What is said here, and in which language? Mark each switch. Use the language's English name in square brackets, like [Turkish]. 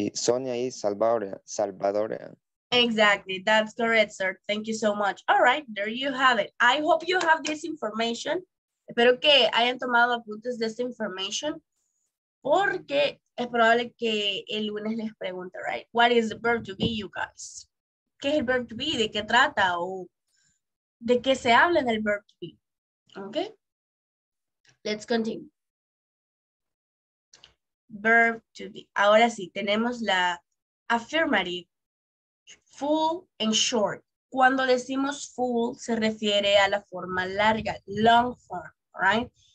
[English] Sonia is Salvadorian. Exactly. That's correct, sir. Thank you so much. All right. There you have it. I hope you have this information. [Spanish] Espero que hayan tomado apuntes de esta información porque es probable que el lunes les pregunte, [English] right? What is the verb to be, you guys? [Spanish] ¿Qué es el verb to be? ¿De qué trata? ¿O de qué se habla en el verb to be? [English] Okay? Let's continue. [Spanish] Verb to be. Ahora sí, tenemos la affirmative. [English] Full and short. [Spanish] Cuando decimos full, se refiere a la forma larga, [English] long form. Right?